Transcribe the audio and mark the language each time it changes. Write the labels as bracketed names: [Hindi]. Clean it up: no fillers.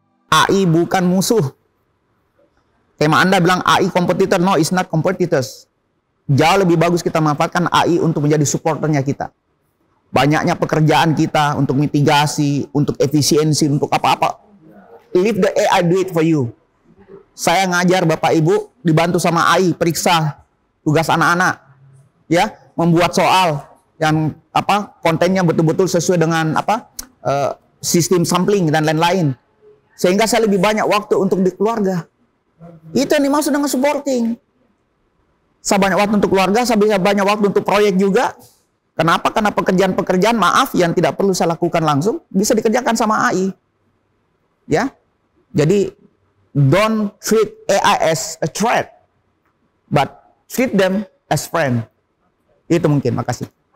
[Indonesian] AI bukan musuh. Tema Anda bilang AI kompetitor, [English] no, it's not competitors. [Indonesian] Jauh lebih bagus kita manfaatkan AI untuk menjadi supporternya kita. Banyaknya pekerjaan kita untuk mitigasi, untuk efisiensi, untuk apa-apa. [English] Leave the AI do it for you. [Indonesian] Saya ngajar Bapak Ibu dibantu sama AI periksa tugas anak-anak, ya, membuat soal yang apa kontennya betul-betul sesuai dengan apa sistem sampling dan lain-lain. Sehingga saya lebih banyak waktu untuk di keluarga. Itu yang dimaksud dengan supporting. Saya banyak waktu untuk keluarga, saya bisa banyak waktu untuk proyek juga. Kenapa? Karena pekerjaan-pekerjaan, maaf, yang tidak perlu saya lakukan langsung, bisa dikerjakan sama AI. Ya? Jadi, [English] don't treat AI as a threat, but treat them as friend. [Indonesian] Itu mungkin, makasih.